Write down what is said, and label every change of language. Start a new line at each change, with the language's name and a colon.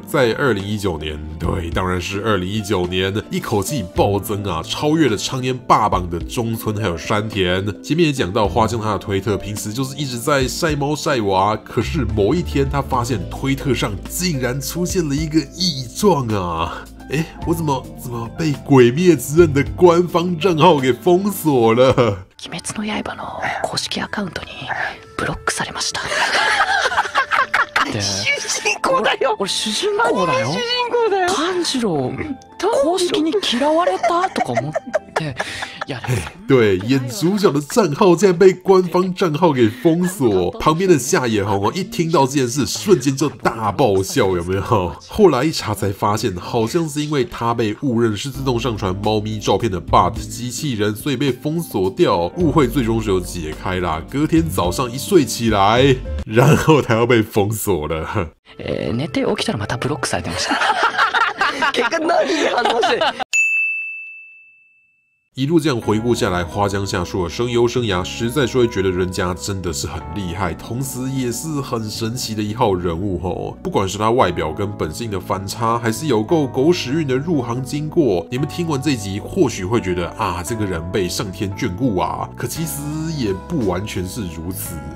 Chinese: 在2019年，对，当然是2019年，一口气暴增啊，超越了长年霸榜的中村还有山田。前面也讲到花江他的推特平时就是一直在晒猫晒娃，可是某一天他发现推特上竟然出现了一个异状啊。哎，我怎么被《鬼灭之刃》的官方账号给封锁了？《
Japanese: 鬼灭の刃》の公式アカウントにブロックされました。主人公だよ。これ主人公だよ。主人公だよ。炭治郎公式に嫌われたとか思って。
Chinese: 对，演主角的账号竟然被官方账号给封锁。旁边的夏野弘一听到这件事瞬间就大爆笑，有没有？后来一查才发现，好像是因为他被误认是自动上传猫咪照片的 bot 机器人，所以被封锁掉。误会最终是有解开啦，隔天早上一睡起来，然后他要被封锁了。
Japanese: 寝て起きたらまたブロックされてました。結果何に反応して。
Chinese: 一路这样回顾下来，花江夏树的声优生涯实在是会觉得人家真的是很厉害，同时也是很神奇的一号人物吼。不管是他外表跟本性的反差，还是有够狗屎运的入行经过，你们听完这集或许会觉得啊，这个人被上天眷顾啊，可其实也不完全是如此。